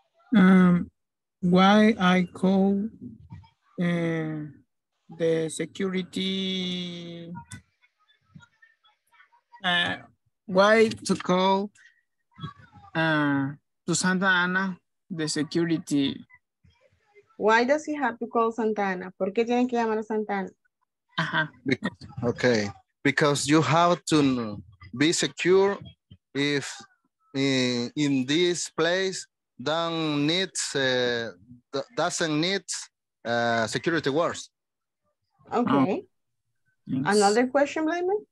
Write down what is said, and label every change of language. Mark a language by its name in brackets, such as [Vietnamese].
[English] Why I call the security... why to call to Santa Ana the security? Why does he have to call Santa Ana? [Spanish] ¿Por qué tienen que llamar a Santa Ana? [English] Okay, because you have to be secure if in this place doesn't need security works. Okay. Oh. Another question, Blaine?